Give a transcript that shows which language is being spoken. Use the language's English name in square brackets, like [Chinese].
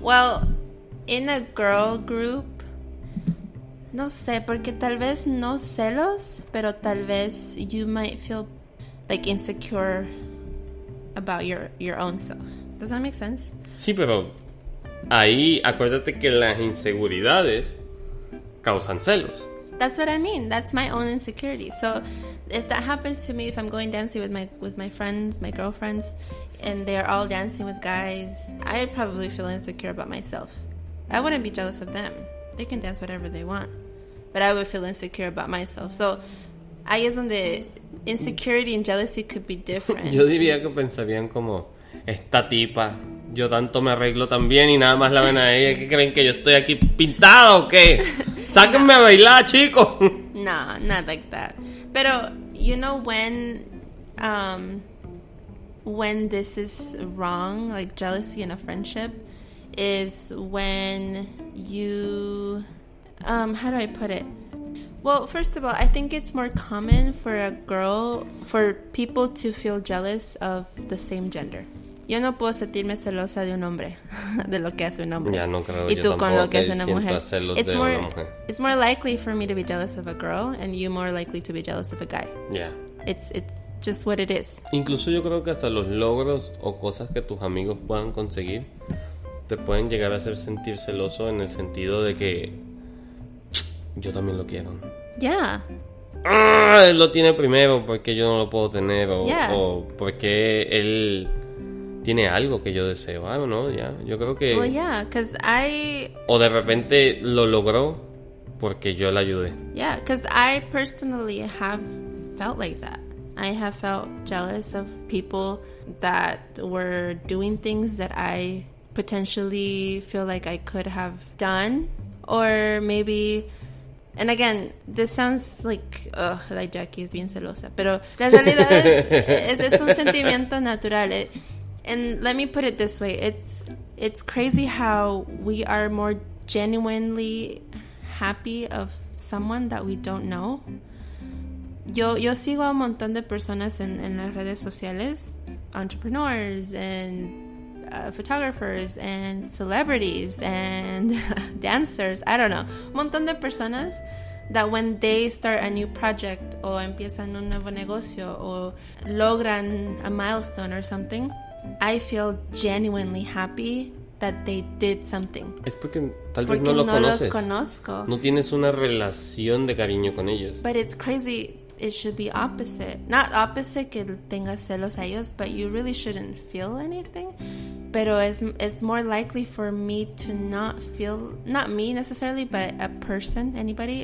[English] Well, in a girl group, [Spanish] no sé, porque tal vez [English] no celos, pero tal vez you might feel like insecure about your own self. Does that make sense? [Spanish] Sí, pero ahí acuérdate que las inseguridades causan celos. [English] That's what I mean. That's my own insecurity. So if that happens to me, if I'm going dancing with my friends, my girlfriends, and they're all dancing with guys, I'd probably feel insecure about myself. I wouldn't be jealous of them. They can dance whatever they want. But I would feel insecure about myself. So I guess the insecurity and jealousy could be different. [Spanish] Yo diría que pensarían como, esta tipa, yo tanto me arreglo también y nada más la ven a ella. ¿Qué creen, que yo estoy aquí pintado o qué? ¡Sáquenme a bailar, chicos! [English] No, not like that. Pero, you know, when this is wrong, like jealousy in a friendship, is when you, how do I put it? Well, first of all, I think it's more common for a girl, for people to feel jealous of the same gender. [Spanish] Yo no puedo sentirme celosa de un hombre, de lo que hace un hombre. Ya, no creo. Y tú con lo que hace una mujer. [English] It's more likely for me to be jealous of a girl, and you more likely to be jealous of a guy. Yeah. It's just what it is. [Spanish] Incluso yo creo que hasta los logros o cosas que tus amigos puedan conseguir te pueden llegar a hacer sentir celoso, en el sentido de que yo también lo quiero. [English] Yeah. ¡Ah! [Spanish] Él lo tiene primero porque yo no lo puedo tener, o porque él tiene algo que yo deseo. Ah, no, ya. Yo creo que... [English] Well, yeah, because I... [Spanish] O de repente lo logró porque yo le ayudé. [English] Yeah, because I personally have felt like that. I have felt jealous of people that were doing things that I potentially feel like I could have done. Or maybe... And again, this sounds like, ugh, like Jackie is being celosa. [Spanish] Pero la realidad es un sentimiento natural. [English] And let me put it this way. It's crazy how we are more genuinely happy of someone that we don't know. [Spanish] Yo sigo a un montón de personas en las redes sociales. [English] Entrepreneurs and photographers and celebrities and dancers. I don't know. [Spanish] Un montón de personas [English] that when they start a new project [Spanish] o empiezan un nuevo negocio o logran [English] a milestone or something, I feel genuinely happy that they did something. [Spanish] Es porque tal vez no lo conoces. Porque no los conozco. No tienes una relación de cariño con ellos. [English] But it's crazy. It should be opposite. Not opposite [Spanish] que tengas celos a ellos, [English] but you really shouldn't feel anything. Pero it's more likely for me to not feel, not me necessarily, but a person, anybody.